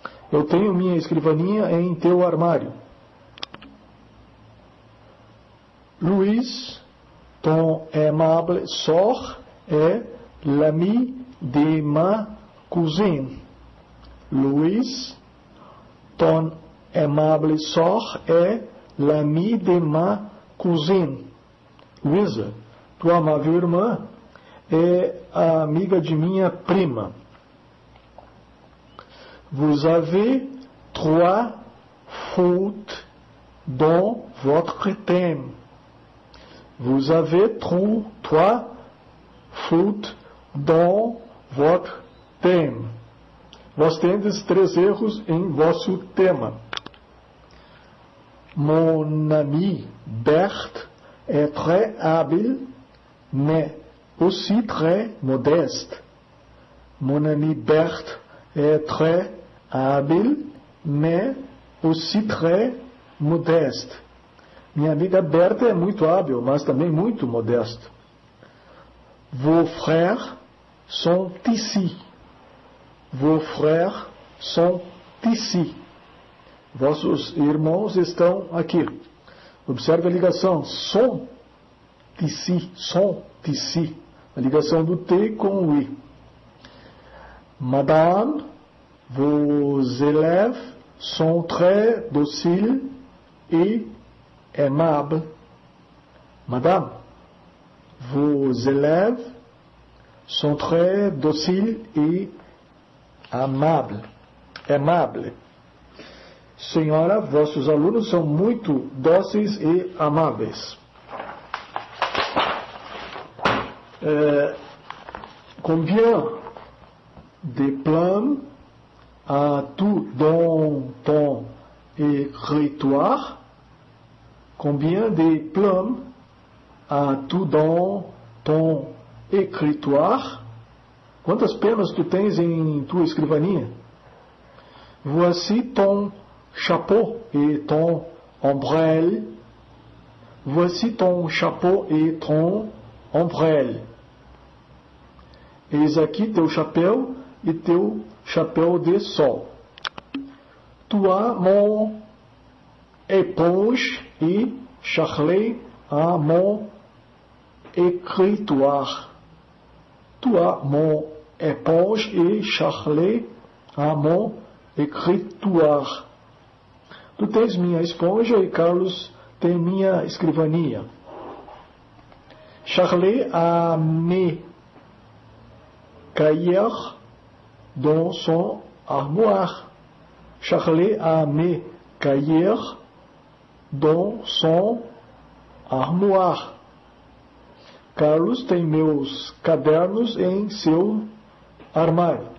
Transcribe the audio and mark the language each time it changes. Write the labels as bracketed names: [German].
[Portuguese] Eu tenho minha escrivaninha em teu armário. [French] Luiz, ton aimable sœur est l'ami de ma cousine. Luiz, ton aimable sœur est l'ami de ma cousine. [Portuguese] Luiza, tua amável irmã é a amiga de minha prima. [French] Vous avez trois fautes dans votre thème. Vous avez trois fautes dans votre thème. [Portuguese] Vós tendes três erros em vosso tema. [French] Mon ami Berthe est très habile, mais aussi très modeste. Mon ami Berthe est très habile, mais aussi très modeste. [Portuguese] Minha amiga Berta é muito hábil, mas também muito modesta. [French] Vos frères sont ici. Vos frères sont ici. [Portuguese] Vossos irmãos estão aqui. Observe a ligação. [French] Sont ici. Sont ici. [Portuguese] A ligação do T com o I. [French] Madame, vos élèves sont très dociles et aimables. Madame, vos élèves sont très dociles et amables. Aimables. [Portuguese] Senhora, vossos alunos são muito dóceis e amáveis. [French] Combien de plans as-tu dans ton écritoire? Combien de plumes as-tu dans ton écritoire? [Portuguese] Quantas penas tu tens em tua escrivaninha? [French] Voici ton chapeau et ton ombrelle. Voici ton chapeau et ton ombrelle. [Portuguese] Eis aqui teu chapéu e teu chapéu de sol. [French] Tu as mon éponge et Charlie a mon écritoire. Tu as mon éponge et Charlie a mon écritoire. [Portuguese] Tu tens minha esponja e Carlos tem minha escrivaninha. [French] Charlie a mes cahiers dans son armoire. Charlie a mes cahiers dans son armoire. [Portuguese] Carlos tem meus cadernos em seu armário.